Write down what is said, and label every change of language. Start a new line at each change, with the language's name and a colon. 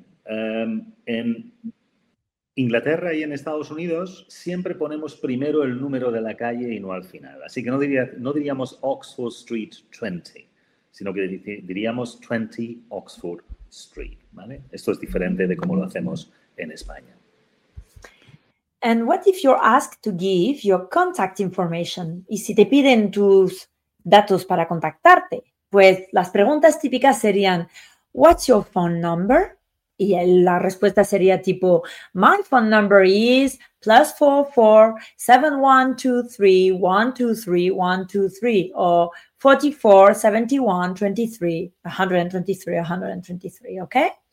Spanish: En Inglaterra y en Estados Unidos siempre ponemos primero el número de la calle y no al final. Así que no diríamos Oxford Street 20, sino que diríamos 20 Oxford Street, ¿vale? Esto es diferente de cómo lo hacemos en España.
English: And what if you're asked to give your contact information?
Spanish: ¿Y si te piden tus datos para contactarte? Pues las preguntas típicas serían,
English: what's your phone number?
Spanish: Y la respuesta sería tipo,
English: my phone number is +44 7123 123 123 or 44 71 23 123 123, okay?